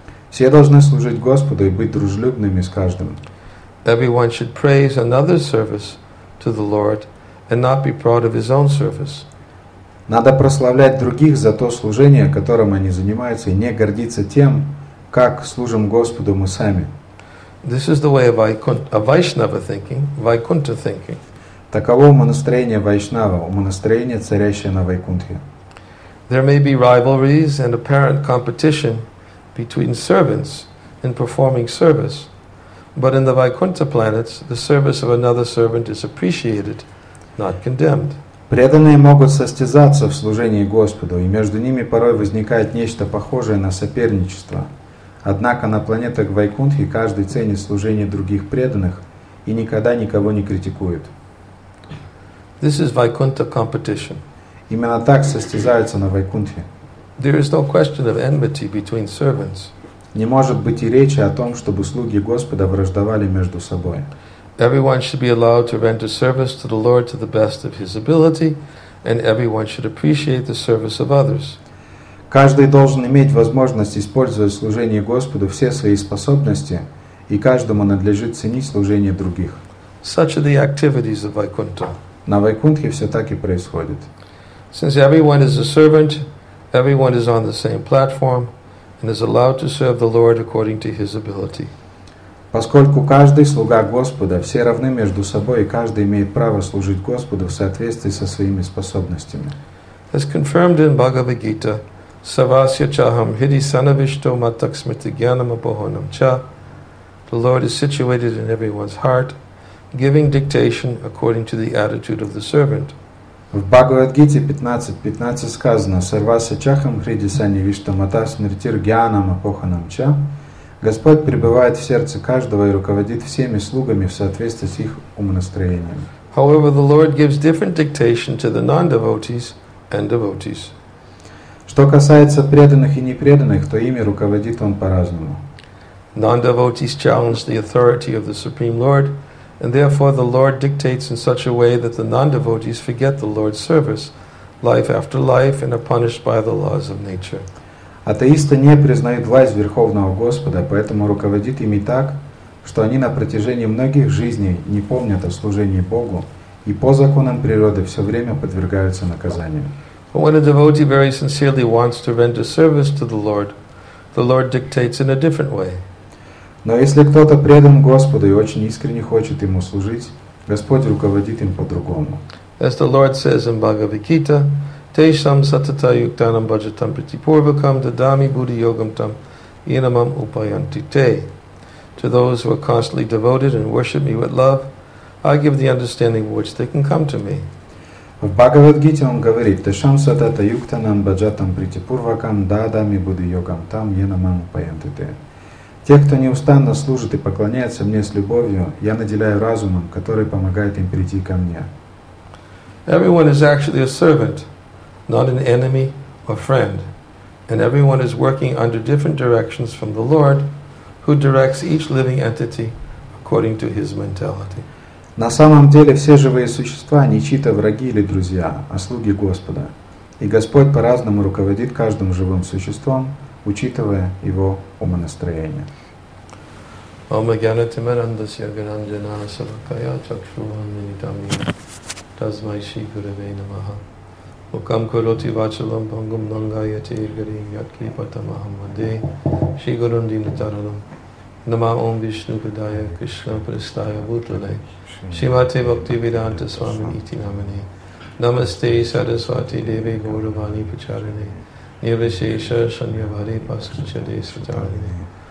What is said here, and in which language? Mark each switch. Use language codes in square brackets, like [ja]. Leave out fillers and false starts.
[ru] Все должны служить Господу и быть дружелюбными с каждым. [en] Everyone should praise another's service to the Lord and not be proud of his own service. [ru] Надо прославлять других за то служение, которым они занимаются, и не гордиться тем, как служим Господу мы сами. [en] This is the way of Vaishnava thinking, Vaikuntha thinking. [ru] Таково умонастроение Вайшнава, умонастроение, царящее на Вайкунтхе. [en] There may be rivalries and apparent competition between servants in performing service, but in the Vaikuntha planets, the service of another servant is appreciated, not condemned. [ru] Преданные могут состязаться в служении Господу, и между ними порой возникает нечто похожее на соперничество. Однако на планетах Вайкунтхи каждый ценит служение других преданных и никогда никого не критикует. [en] This is Vaikuntha competition. [ru] Именно так состязаются на Вайкунтхе. [en] There is no question of enmity between servants. [ru] Не может быть и речи о том, чтобы слуги Господа враждовали между собой. [en] Everyone should be allowed to render service to the Lord to the best of his ability, and everyone should appreciate the service of others. [ru] Каждый должен иметь возможность использовать служение Господу все свои способности, и каждому надлежит ценить служение других. [en] Such are the activities of Vaikuntha. [ru] На Вайкунтхе все так и происходит. [en] Since everyone is a servant, everyone is on the same platform and is allowed to serve the Lord according to his ability. [ru] Поскольку каждый слуга Господа, все равны между собой, и каждый имеет право служить Господу в соответствии со своими способностями. [en] As confirmed in Bhagavad Gita, [sa] Savasya Chaham Hidi Sanavishto Matak Smriti Gyanam Apohonam Cha. [en] The Lord is situated in everyone's heart, giving dictation according to the attitude of the servant. [ru] В Бхагавад-гите 15.15 сказано: [sa] «Сарваса чахам хридисани вишта мата смиртир гьянам апоханам ча». [ru] Господь пребывает в сердце каждого и руководит всеми слугами в соответствии с их умонастроением. [en] However, the Lord gives different dictation to the non-devotees and devotees. [ru] Что касается преданных и непреданных, то ими руководит он по-разному. [en] Non-devotees challenge the authority of the Supreme Lord, and therefore the Lord dictates in such a way that the non-devotees forget the Lord's service, life after life, and are punished by the laws of nature. [ru] Атеисты не признают власть Верховного Господа, поэтому руководит ими так, что они на протяжении многих жизней не помнят о служении Богу, и по законам природы все время подвергаются наказаниям. [en] But when a devotee very sincerely wants to render service to the Lord dictates in a different way. [ru] Но если кто-то предан Господу и очень искренне хочет Ему служить, Господь руководит им по-другому. [en] As the Lord says in Bhagavad Gita, [sa] Tesham satata yuktanam bhajatam pritipurvakam dadami buddhi yogamtam inamam upayantite. [en] To those who are constantly devoted and worship me with love, I give the understanding which they can come to me. [ru] В Бхагавад Гите он говорит, [sa] Tesham satata yuktanam bhajatam pritipurvakam dadami buddhi yogamtam inamam upayantite. [ru] Те, кто неустанно служит и поклоняется мне с любовью, я наделяю разумом, который помогает им прийти ко мне. [en] Everyone is actually a servant, not an enemy or friend, and everyone is working under different directions from the Lord, who directs each living entity according to his mentality. [ru] На самом деле все живые существа не чьи-то враги или друзья, а слуги Господа, и Господь по-разному руководит каждым живым существом, учитывая его умонастроение. [sa] Ом агьянати мирандасья гананджана савакая чакшурам нинитами тасмай шри гуруве намаха мукам куроти вачалам пангум нангая тиргари ятки патамахам ваде шри гурун динатаранам нама ом вишну падая кришна пристая бутале шимате бхакти виданта свамини ити намане намасте сарасвати деве гуравани пачарине Nirvishesha Shanyavari Paskuchade Sutarine.